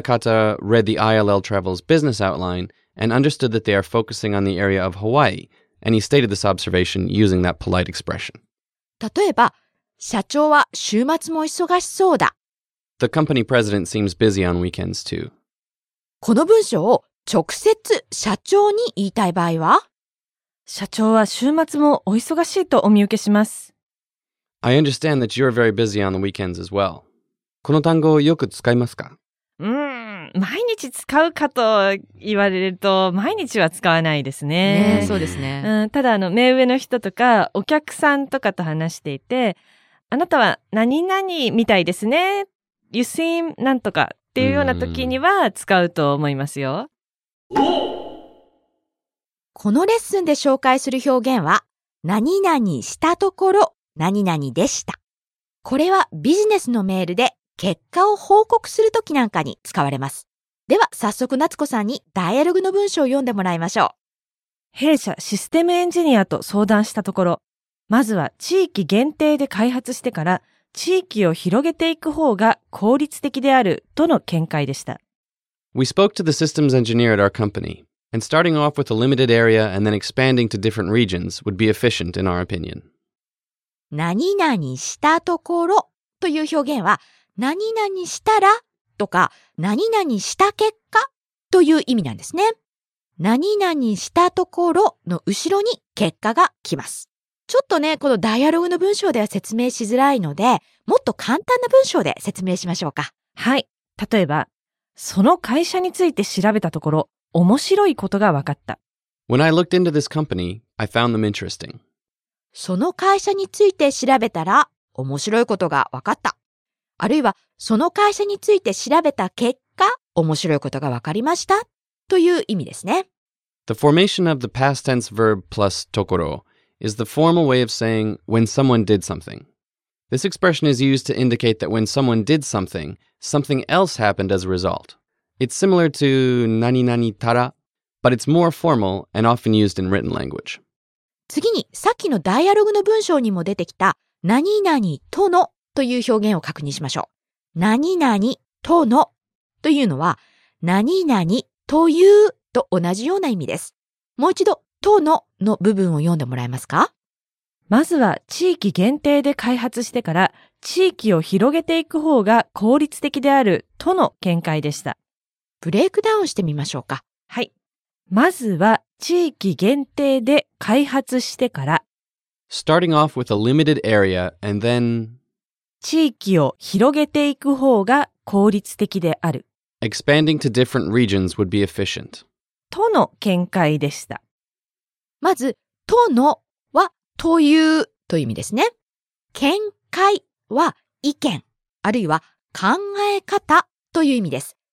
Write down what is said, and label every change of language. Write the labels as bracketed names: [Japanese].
[English] Nakata read the ILL Travel's business outline and understood that they are focusing on the area of Hawaii. And he stated this observation using that polite expression. [Japanese] 例えば、社長は週末も忙しそうだ。 [English] The company president seems busy on weekends too. [Japanese] この文章を直接社長に言いたい場合は、社長は週末もお忙しいとお見受けします。 [English] I understand that you're very busy on the weekends as well. [Japanese] この単語をよく使いますか？毎日使うかと言われると毎日は使わないですね。そうですね。ただ目上の人とかお客さんとかと話していて、あなたは何々みたいですね、 [English] You seem [Japanese] なんとかっていうような時には使うと思いますよ。このレッスンで紹介する表現は、何々したところ何々でした。これはビジネスのメールで結果を報告するときなんかに使われます。では早速夏子さんにダイアログの文章を読んでもらいましょう。弊社システムエンジニアと相談したところ、まずは地域限定で開発してから地域を広げていく方が効率的であるとの見解でした。 [English] We spoke to the systems engineer at our company, and starting off with a limited area and then expanding to different regions would be efficient in our opinion. [Japanese] 何々したところという表現は、何々したらとか何々した結果という意味なんですね。何々したところの後ろに結果が来ます。ちょっとね、このダイアログの文章では説明しづらいので、もっと簡単な文章で説明しましょうか。はい。例えば、その会社について調べたところ、面白いことが分かった。 [English] When I looked into this company, I found them interesting. [Japanese] その会社について調べたら面白いことが分かった。あるいは、その会社について調べた結果、面白いことが分かりましたという意味ですね。 [English] The formation of the past tense verb plus ところ is the formal way of saying when someone did something. This expression is used to indicate that when someone did something, something else happened as a result. It's similar to 何々たら、but it's more formal and often used in written language. [Japanese] 次に、さっきのダイアログの文章にも出てきた何々とのという表現を確認しましょう。何々とのというのは、何々というと同じような意味です。もう一度、とのの部分を読んでもらえますか？まずは地域限定で開発してから地域を広げていく方が効率的であるとの見解でした。ブレイクダウンしてみましょうか。はい。まずは地域限定で開発してから。 [English] Starting off with a limited area and then [Japanese] 地域を広げていく方が効率的である。 [English] Expanding to different regions would be efficient. [Japanese] との見解でした。まず、とのはというという意味ですね。見解は意見、あるいは考え方という意味です。